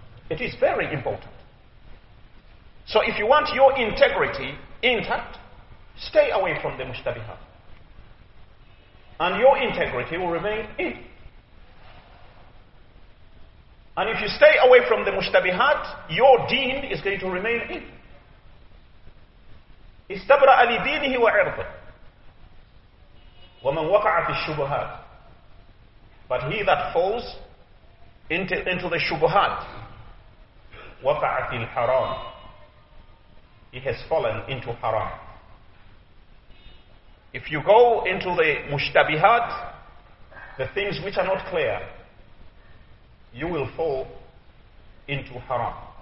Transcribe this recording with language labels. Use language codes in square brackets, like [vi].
[en] It is very important. So if you want your integrity intact, stay away from the mushtabihat. And your integrity will remain intact. And if you stay away from the mushtabihat, your deen is going to remain intact. [ar] استبرأ لدينه وعرضه ومن وقع في الشبهات. [en] But he that falls into the shubuhat, [ar] waqa'a fil haram, [en] he has fallen into haram. If you go into the mushtabihat, the things which are not clear, you will fall into haram.